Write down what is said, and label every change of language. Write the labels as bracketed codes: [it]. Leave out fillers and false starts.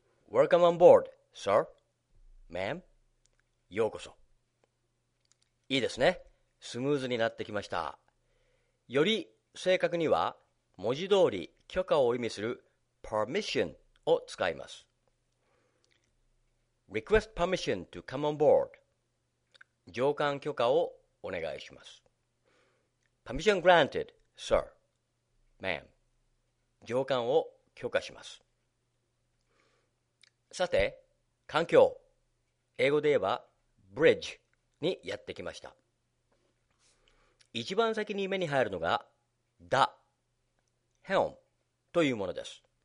[en] Welcome on board, sir. Ma'am, [ja] ようこそ。いいですね。スムーズになってきました。より正確には文字通り許可を意味する permission を使います。 [en] Request permission to come on board. [ja] 乗艦許可をお願いします。 [en] Permission granted, sir. Ma'am. [ja] 乗艦を許可します。さて、艦橋。英語で言えば、bridge にやってきました。一番先に目に入るのが、the helm というものです。